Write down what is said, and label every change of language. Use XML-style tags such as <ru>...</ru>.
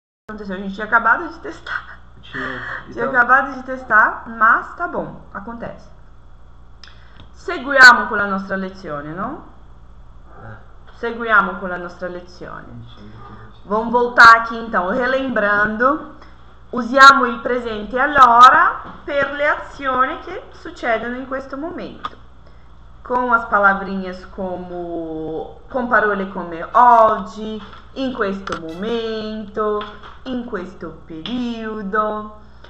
<pt>Aconteceu, a gente tinha acabado de testar. Tinha, Tinha então. acabado de testar, mas tá bom, acontece.</pt> <it>Seguiamo con la nostra lezione, no? Seguiamo con la nostra lezione.</it> <pt>Vamo voltare aqui então, relembrando.</pt> <it>Usiamo il presente allora per le azioni che succedono in questo momento. Con</it> <pt>as palavrinhas como,</pt> <it>con parole come oggi, in questo momento, in questo periodo.</it>